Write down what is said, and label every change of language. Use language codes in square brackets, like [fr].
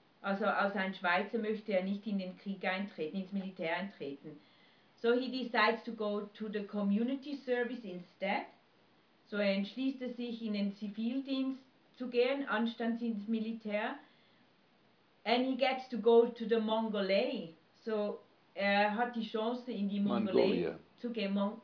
[de] Also als ein Schweizer möchte er nicht in den Krieg eintreten, ins Militär eintreten. [en] So he decides to go to the community service instead. [de] So er entschließt sich, in den Zivildienst zu gehen, anstatt ins Militär. [en] And he gets to go to the Mongolei. [de] So er hat die Chance, in die Mongolei zu gehen.